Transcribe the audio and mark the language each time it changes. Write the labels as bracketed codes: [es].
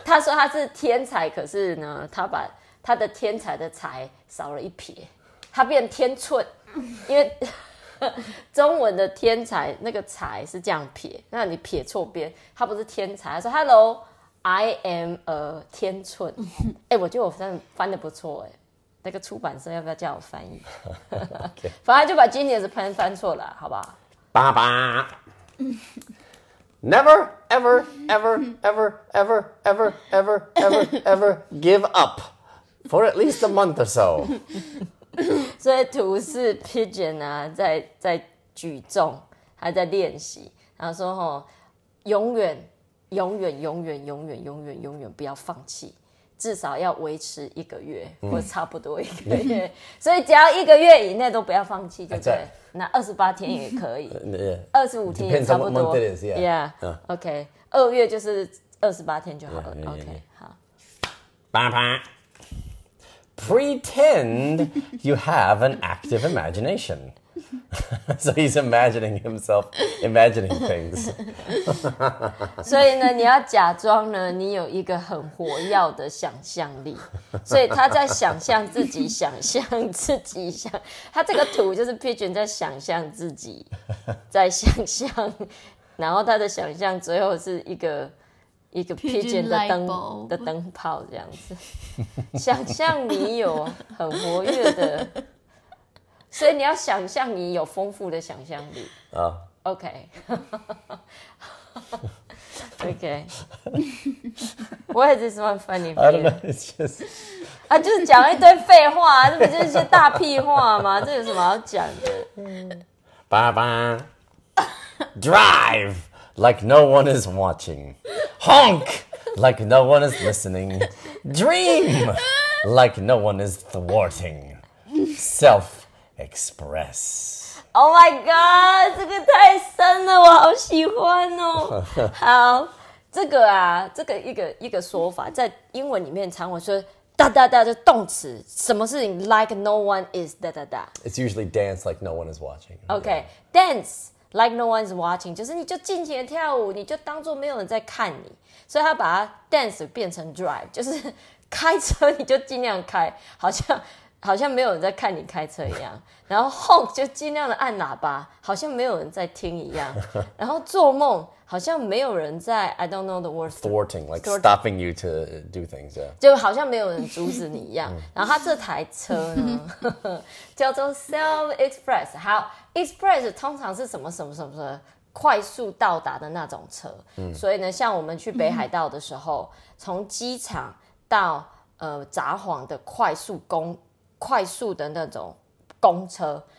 [zh] 他说他是天才，可是呢他把他的天才的才少了一撇，他变天寸，因为中文的天才那个才是这样撇，那你撇错边，他不是天才，他说 [en] HelloI am a [zh] 天寸，我觉得我翻得不错，那个出版社要不要叫我翻译？ [en] okay. [zh] 反正就把 genius 翻错了，好不好？爸爸 [en] ，Never ever ever ever ever ever ever ever ever give up for at least a month or so 。 [zh] 所以图是 pigeon 啊，在举重，还在练习，然后说吼，永远。永远永远永远永远永远不要放弃，至少要维持一个月或差不多一个月、所以只要一个月以内都不要放弃，对不对？那28天也可以，25天也差不多。 [en] Depends on what month it is, yeah. Yeah. Okay. [zh] 二月就是28天就好了。 [en] Yeah, yeah, yeah. Okay. [zh] 好。啪啪。 [en] Pretend you have an active imagination. So he's imagining himself imagining things. [zh] 所以呢，你要假装呢，你有一个很活跃的想象力。所以他在想象自己，想象自己，想他这个图就是 Pigeon 在想象自己，在想象，然后他的想象最后是一个 [en] Pigeon [zh] 的灯泡这样子。想象你有很活跃的。所以你要想象你有丰富的想象力。 [en] OK. OK. Why is this one funny for you? I don't know, it's just... [zh] 啊，就是讲一堆废话，这不就是一些大屁话吗？这有什么好讲的？爸爸 [en] Drive like no one is watching. Honk, like no one is listening. Dream, like no one is thwarting. Self-express. Oh my god, [zh] 这个太深了，我好喜欢哦。好，这个啊，这个一个说法，在英文里面常会说哒哒哒的动词，什么事情 ？ [en] Like no one is [zh] 哒哒哒。 [en] It's usually dance like no one is watching. Okay, dance like no one is watching， [zh] 就是你就尽情的跳舞，你就当作没有人在看你。所以他把它 dance 变成 drive， 就是开车你就尽量开，好像没有人在看你开车一样。然后 honk 就尽量的按喇叭，好像没有人在听一样。然后做梦。好像没有人在 [en] I don't know the word thwarting, like stopping you to do things, yeah. [zh] 就好像没有人阻止你一样。然后他这台车呢，叫做 self-express。好 ，express 通常是什么什么什么的快速到达的那种车。所以呢，像我们去北海道的时候，从机场到札幌的快速的那种公车。